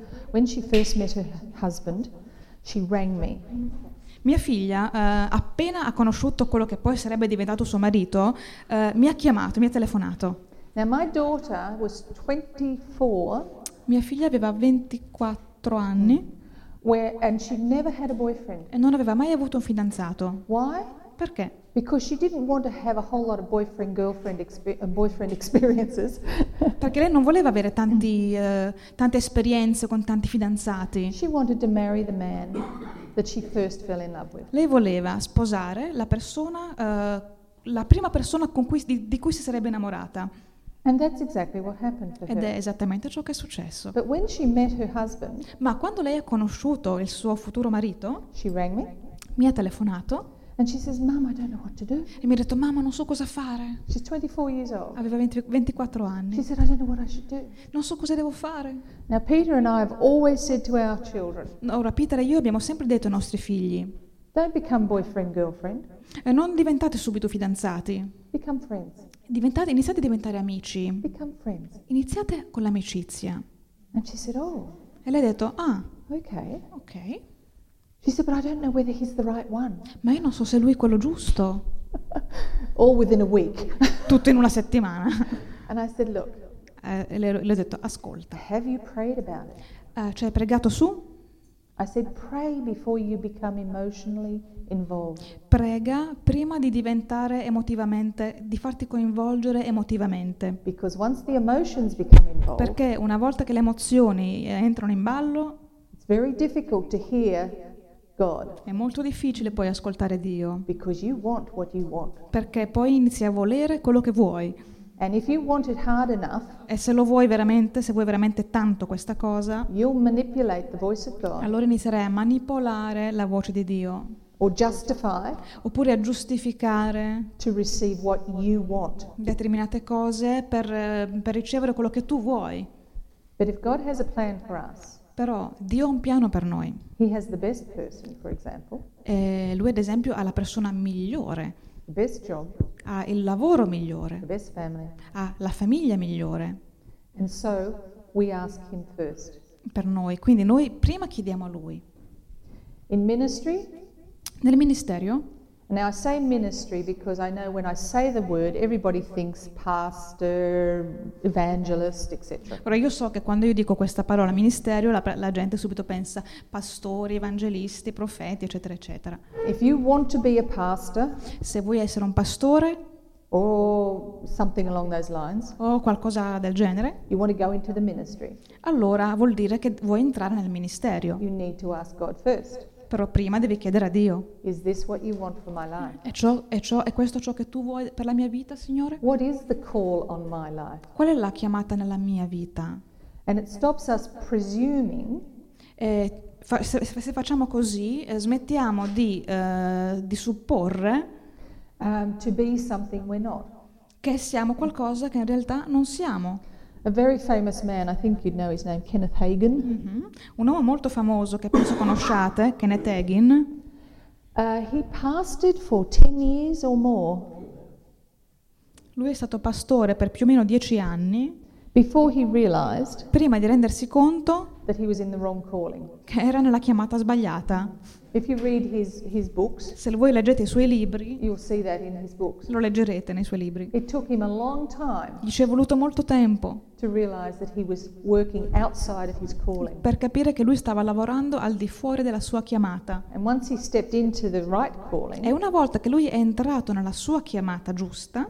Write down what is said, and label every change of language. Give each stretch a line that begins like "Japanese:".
English: When she first met her husband, she rang me.
Italian: Mia figlia, appena ha conosciuto quello che poi sarebbe diventato suo marito, mi ha chiamato, mi ha telefonato.
English: Now my daughter was 24.
Italian: Mia figlia aveva 24 anni.
English: And she never had a boyfriend.
Italian: E non aveva mai avuto un fidanzato.
English: Why?
Italian: Perché?
English: Because she didn't want to have a whole lot of boyfriend girlfriend boyfriend experiences.
Italian: Perché lei non voleva avere tante esperienze con tanti fidanzati.
English: She wanted to marry the man that she first fell in love with.
Italian: Lei voleva sposare la persona la prima persona con cui, di cui si sarebbe innamorata.
English: And that's exactly what happened for
Italian: ed
English: her.
Italian: È esattamente ciò che è successo.
English: But when she met her husband,
Italian: ma quando lei ha conosciuto il suo futuro marito,
English: she rang me,
Italian: mi ha telefonato
English: and she says, "Mom, I don't know what to do."
Italian: E mi ha detto, mamma, non so cosa fare.
English: She's 24 years old.
Italian: Aveva 24 anni.
English: She said, "I don't know what I should do."
Italian: Non so cosa devo fare.
English: Now Peter and I have always said to our children,
Italian: ora Peter e io abbiamo sempre detto ai nostri figli,
English: don't become boyfriend, girlfriend.
Italian: E non diventate subito fidanzati.
English: Become friends.
Italian: Iniziate a diventare amici.
English: Become friends.
Italian: Iniziate con l'amicizia.
English: And she said, oh.
Italian: E lei ha detto, ah.
English: Okay.
Italian: Okay.
English: She said, but I don't know whether he's the right one.
Italian: Ma io non so se lui è quello giusto.
English: All within a week.
Italian: Tutto in una settimana.
English: And I said, look.
Italian: Le ho detto, ascolta.
English: Have you prayed about it?
Italian: Cioè, hai pregato su?
English: I said, pray before you become emotionally involved.
Italian: Prega prima di diventare emotivamente, di farti coinvolgere emotivamente.
English: Because once the emotions become involved,
Italian: perché una volta che le emozioni entrano in ballo,
English: it's very difficult to hear God.
Italian: È molto difficile poi ascoltare Dio.
English: Because you want what you want.
Italian: Perché poi inizi a volere quello che vuoi.
English: And if you want it hard enough,
Italian: e se lo vuoi veramente, se vuoi veramente tanto questa cosa,
English: you'll manipulate the voice of God.
Italian: Allora inizierai a manipolare la voce di Dio.
English: Or justify,
Italian: oppure a giustificare,
English: to receive what you want.
Italian: Determinate cose per ricevere quello che tu vuoi.
English: But if God has a plan for us,
Italian: però Dio ha un piano per noi.
English: He has the best person, for example.
Italian: E lui, ad esempio, ha la persona migliore.
English: The best job,
Italian: ha il lavoro migliore.
English: The best family.
Italian: Ha la famiglia migliore.
English: And so we ask him first.
Italian: Per noi. Quindi noi prima chiediamo a lui.
English: In ministry,
Italian: nel ministerio.
English: Now I say ministry because I know when I say the word everybody thinks pastor, evangelist, etc.
Italian: Ora io so che quando io dico questa parola ministerio la gente subito pensa pastori, evangelisti, profeti, eccetera, eccetera.
English: If you want to be a pastor,
Italian: se vuoi essere un pastore,
English: or something along those lines,
Italian: o qualcosa del genere,
English: you want to go into the ministry.
Italian: Allora vuol dire che vuoi entrare nel ministerio.
English: You need to ask God first.
Italian: Però prima devi chiedere a Dio.
English: Is this what you want for my life?
Italian: È questo ciò che tu vuoi per la mia vita, Signore?
English: What is the call on my life?
Italian: Qual è la chiamata nella mia vita?
English: And it stops us presuming.
Italian: Se facciamo così, smettiamo di supporre
English: to be something we're not.
Italian: Che siamo qualcosa che in realtà non siamo.
English: A very famous man, I think you'd know his name, Kenneth Hagin. Mm-hmm.
Italian: Un uomo molto famoso che penso conosciate, Kenneth Hagin.
English: He pastored for 10 years or more.
Italian: Lui è stato pastore per più o meno 10 anni.
English: Before he realized,
Italian: prima di rendersi conto,
English: that he was in the wrong calling.
Italian: Che era nella chiamata sbagliata.
English: If you read his books,
Italian: se voi leggete i suoi libri,
English: you'll see that in his books.
Italian: Lo leggerete nei suoi libri.
English: It took him a long time,
Italian: gli ci è voluto molto tempo,
English: to realize that he was working outside of his calling.
Italian: Per capire che lui stava lavorando al di fuori della sua chiamata.
English: And once he stepped into the right calling,
Italian: e una volta che lui è entrato nella sua chiamata giusta,